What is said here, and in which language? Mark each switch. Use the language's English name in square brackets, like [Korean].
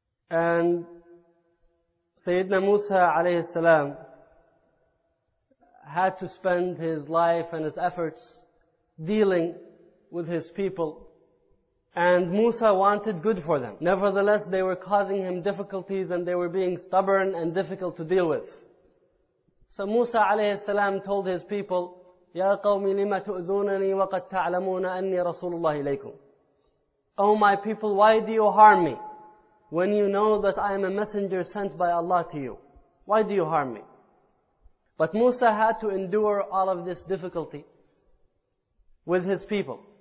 [English] And Sayyidina Musa alayhi salam had to spend his life and his efforts dealing with his people. And Musa wanted good for them. Nevertheless, they were causing him difficulties and they were being stubborn and difficult to deal with. So Musa alayhi salam told his people, [Arabic] يَا قَوْمِ لِمَ تُؤْذُونَنِي وَقَدْ تَعْلَمُونَ أَنِّي رَسُولُ اللَّهِ إِلَيْكُمْ. [English] O my people, why do you harm me when you know that I am a messenger sent by Allah to you? Why do you harm me? But Musa had to endure all of this difficulty with his people.